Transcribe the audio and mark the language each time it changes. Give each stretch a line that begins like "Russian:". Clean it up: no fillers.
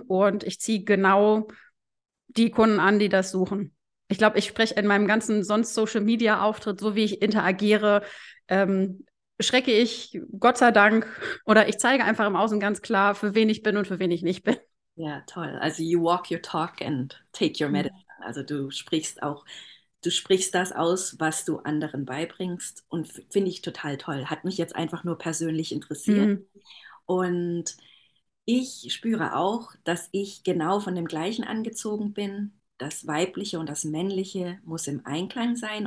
German: Und ich ziehe genau die Kunden an, die das suchen. Ich glaube, ich spreche in meinem ganzen sonst Social-Media-Auftritt, so wie ich interagiere, schrecke ich Gott sei Dank oder ich zeige einfach im Außen ganz klar, für wen ich bin und für wen ich nicht bin. Ja, toll.
English: Also you walk your talk and take your medicine.
German: Also du sprichst das aus, was du anderen beibringst und finde ich total toll. Hat mich jetzt einfach nur persönlich interessiert. Und ich spüre auch, dass ich genau von dem Gleichen angezogen bin. Das Weibliche und das Männliche muss im Einklang sein.